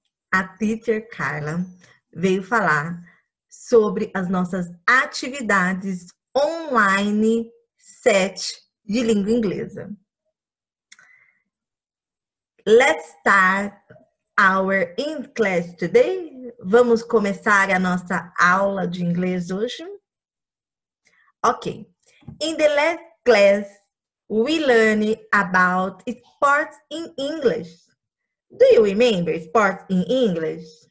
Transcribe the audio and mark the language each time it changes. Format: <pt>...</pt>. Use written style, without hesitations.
<pt>A teacher Carla veio falar sobre as nossas atividades online 7 de língua inglesa.</pt> <en>Let's start our in-class today.</en> <pt>Vamos começar a nossa aula de inglês hoje?</pt> <en>Ok. In the last class, we learn about sports in English. Do you remember sports in English?</en>